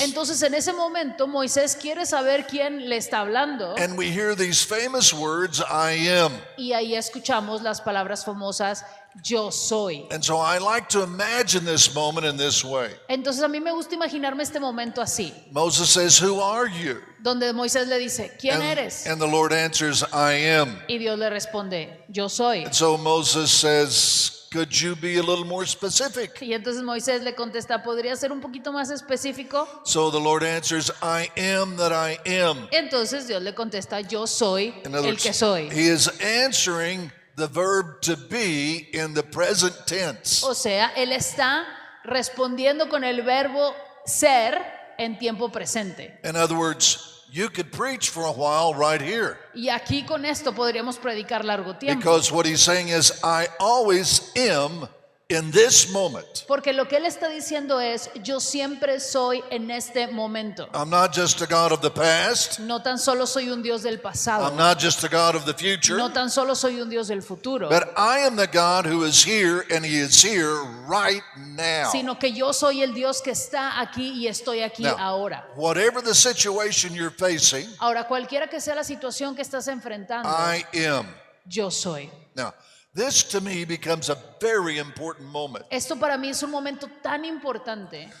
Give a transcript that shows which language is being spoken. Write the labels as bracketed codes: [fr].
[es] Entonces en ese momento Moisés quiere saber quién le está hablando. [en] And we hear these famous words, I am. [es] Y ahí escuchamos las palabras famosas, yo soy. [en] And so I like to imagine this moment in this way. [es] Entonces a mí me gusta imaginarme este momento así. [en] Moses says, who are you? [es] Donde Moisés le dice, ¿quién eres? [en] And the Lord answers, I am. [es] Y Dios le responde, yo soy. [en] And so Moses says, could you be a little more specific? [es] Y entonces Moisés le contesta, ¿podría ser un poquito más específico? [en] So the Lord answers, I am that I am. [es] Entonces Dios le contesta, yo soy el que soy. [en] He is answering the verb to be in the present tense. [es] O sea, él está respondiendo con el verbo ser en tiempo presente. [en] In other words, you could preach for a while right here. [es] Y aquí con esto podríamos predicar largo tiempo. [en] Because what he's saying is, I always am In this moment. [es] Porque lo que él está diciendo es, yo siempre soy en este momento. [en] I'm not just a God of the past. [es] No tan solo soy un Dios del pasado. [en] I'm not just a God of the future. [es] No tan solo soy un Dios del futuro. [en] But I am the God who is here, and He is here right now. [es] Sino que yo soy el Dios que está aquí y estoy aquí ahora. [en] Whatever the situation you're facing. [es] Ahora cualquiera que sea la situación que estás enfrentando. [en] I am. [es] Yo soy. [en] Now, this to me becomes a very important moment. [es] Esto para mí es un momento tan importante.